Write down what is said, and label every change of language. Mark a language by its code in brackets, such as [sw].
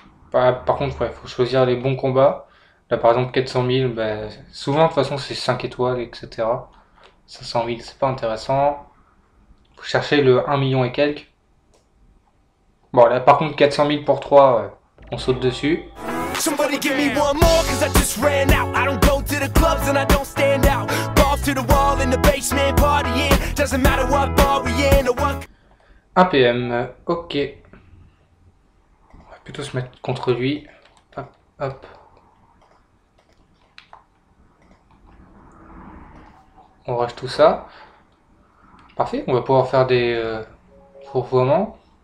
[fr] Par contre, ouais, faut choisir les bons combats. Là, par exemple, 400 000, bah, souvent, de toute façon, c'est 5 étoiles, etc. 500 000, c'est pas intéressant. Faut chercher le 1 million et quelques. Bon, là, par contre, 400 000 pour 3, ouais, on saute dessus. [en] Somebody give me one more, cause I just ran out. I don't go to the clubs and I don't stand out. Ball to the wall in the basement, partying. Doesn't matter what bar we in or what. 1 PM, ok. [fr] Plutôt se mettre contre lui. Hop, hop. On rush tout ça. Parfait, on va pouvoir faire des fourvoiements.